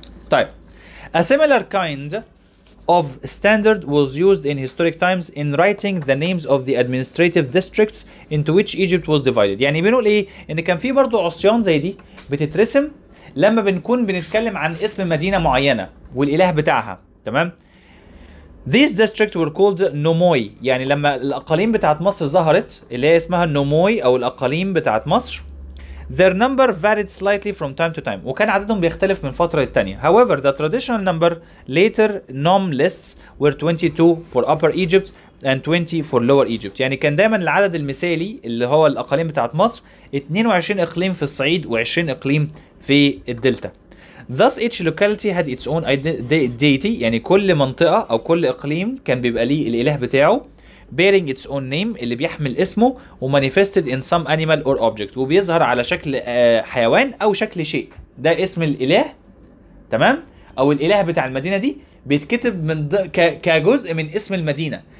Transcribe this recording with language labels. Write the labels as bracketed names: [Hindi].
[Arabic] طيب، [English] A similar kind of standard was used in historic times in writing the names of the administrative districts into which Egypt was divided. [Arabic] يعني بنقول ايه؟ ان كان في برضو عصيان زي دي بتترسم لما بنكون بنتكلم عن اسم مدينة معينة والإله بتاعها، تمام؟ [English] These districts were called Nomoi. [Arabic] يعني لما الأقاليم بتاعت مصر ظهرت اللي هي اسمها Nomoi أو الأقاليم بتاعت مصر، [English] their number varied slightly from time to time. [Arabic] وكان عددهم بيختلف من فترة للتانية. [English] However, the traditional number later nom lists were 22 for Upper Egypt and 20 for Lower Egypt. [Arabic] يعني كان دايما العدد المثالي اللي هو الأقاليم بتاعت مصر 22 إقليم في الصعيد و20 إقليم في الدلتا. [English] Thus each locality had its own deity. [Arabic] يعني كل منطقة أو كل إقليم كان بيبقى ليه الإله بتاعه [English] bearing its own name [Arabic] اللي بيحمل اسمه ومانيفستد [English] in some animal or object [Arabic] وبيظهر على شكل حيوان أو شكل شيء. ده اسم الإله، تمام، أو الإله بتاع المدينة دي بيتكتب من كجزء من اسم المدينة.